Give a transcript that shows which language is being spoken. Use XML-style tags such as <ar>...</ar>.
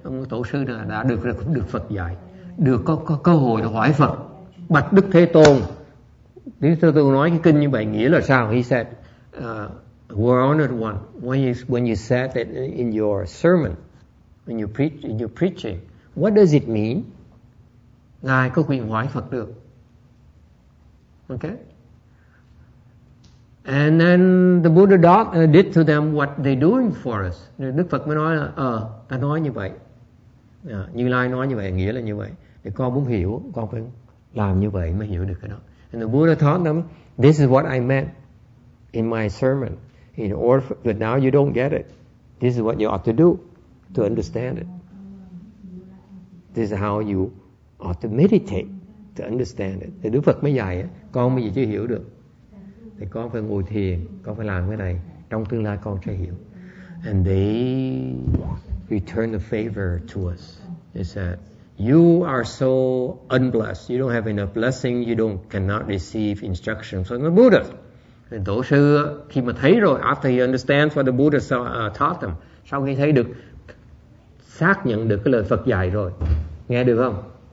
<vi>Ông tổ sư đã được Phật dạy, được có cơ hội được hỏi Phật. Bạch Đức Thế Tôn, Đức Thế Tôn nói cái kinh như vậy nghĩa là sao?</vi> <en>He said, we're honored one. When you said that in your sermon, when you preaching, what does it mean?</en> <vi>Ngài có quyền hỏi Phật được.</vi> <en>Okay? And then the Buddha did to them what they doing for us.</en> <vi>Đức Phật mới nói là, ta nói như vậy. Như Lai nói như vậy, nghĩa là như vậy. Để con muốn hiểu, con phải làm như vậy mới hiểu được cái đó.</vi> <en>And the Buddha taught them, this is what I meant in my sermon. In order, but now you don't get it. This is what you ought to do to understand it. This is how you ought to meditate to understand it.</en> <vi>Thì Đức Phật mới dạy, con bây giờ chưa hiểu được. Thì con phải ngồi thiền, con phải làm cái này, trong tương lai con sẽ hiểu.</vi> <en>And they return the favor to us. They said, you are so unblessed. You don't have enough blessing. You don't cannot receive instruction from the Buddha.</en> <vi>Thì tổ sư khi mà thấy rồi,</vi> <en>after he understands what the Buddha taught them,</en> <vi>sau khi thấy được, xác nhận được cái lời Phật dạy rồi, nghe được không?</vi>